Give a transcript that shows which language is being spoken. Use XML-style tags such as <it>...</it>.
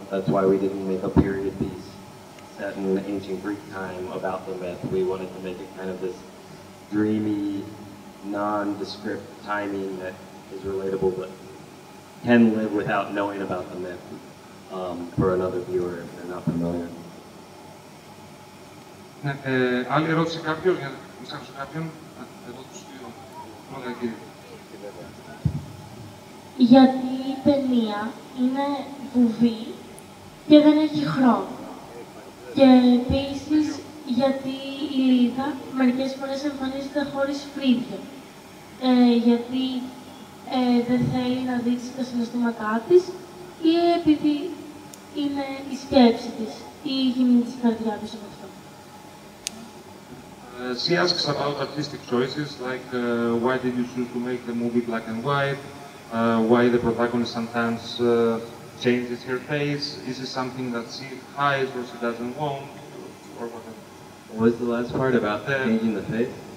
<en>That's why we didn't make a period piece set in ancient Greek time about the myth. We wanted to make it kind of this dreamy, nondescript timing that is relatable but can live without knowing about the myth for another viewer if they're not familiar.</en> <el>Ναι, άλλη ερώτηση κάποιος, για να μην ξεχάσω κάποιον. Εδώ το στείλω. Λόγια, κύριε. Γιατί η ταινία είναι βουβή και δεν έχει χρόνο. Και επίσης, γιατί η Λίδα μερικές φορές εμφανίζεται χωρίς φρύδια. Γιατί δεν θέλει να δείξει τα συναισθήματά της ή επειδή είναι η σκέψη της ή η γυμνή της καρδιά της.</el> <en>She asks about artistic choices, like why did you choose to make the movie black and white? Why the protagonist sometimes changes her face? Is it something that she hides or she doesn't want, or whatever? What was the last part about changing the face?</en>